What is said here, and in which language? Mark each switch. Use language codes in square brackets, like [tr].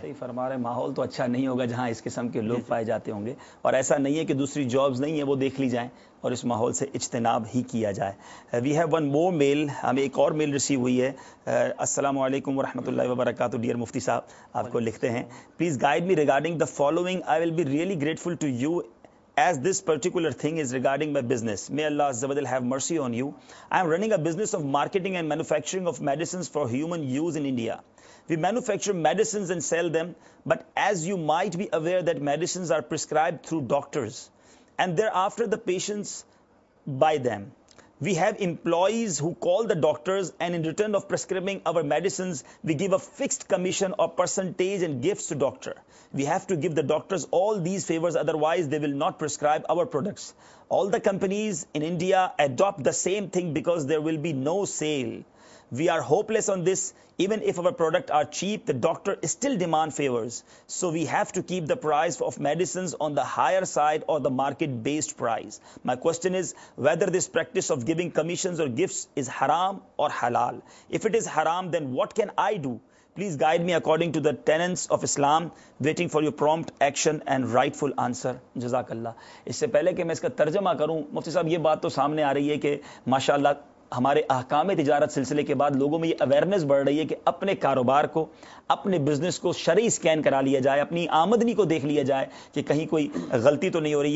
[ur] صحیح فرما رہے ہیں, ماحول تو اچھا نہیں ہوگا جہاں اس قسم کے لوگ پائے جاتے ہوں گے, اور ایسا نہیں ہے کہ دوسری جابز نہیں ہیں وہ دیکھ لی جائیں, اور اس ماحول سے اجتناب ہی کیا جائے. [en] we have one more mile, [ur] ہمیں ایک اور میل ریسیو ہوئی ہے. السلام علیکم ورحمۃ اللہ وبرکاتہ, ڈیئر مفتی صاحب آپ کو لکھتے ہیں, [en] Please guide me regarding the following, I will be really grateful to you as this particular thing is regarding my business. May Allah Azza wa Jal have mercy on you. I am running a business of marketing and manufacturing of medicines for human use in India. We manufacture medicines and sell them, but as you might be aware that medicines are prescribed through doctors and thereafter the patients buy them. We have employees who call the doctors and in return of prescribing our medicines, we give a fixed commission or percentage and gifts to doctor. We have to give the doctors all these favors, otherwise they will not prescribe our products. All the companies in India adopt the same thing because there will be no sale. We are hopeless on this. Even if our product are cheap, the doctor still demand favors. So we have to keep the price of medicines on the higher side or the market-based price. My question is whether this practice of giving commissions or gifts is haram or halal. If it is haram, then what can I do? Please guide me according to the tenets of Islam. Waiting for your prompt action and rightful answer. Jazakallah. [ur] اس سے پہلے کہ میں اس کا ترجمہ کروں, مفتی صاحب یہ بات تو سامنے آ رہی ہے کہ ماشاءاللہ ہمارے احکام تجارت سلسلے کے بعد لوگوں میں یہ اویئرنیس بڑھ رہی ہے کہ اپنے کاروبار کو, اپنے بزنس کو شرعی سکین کرا لیا جائے, اپنی آمدنی کو دیکھ لیا جائے کہ کہیں کوئی غلطی تو نہیں ہو رہی.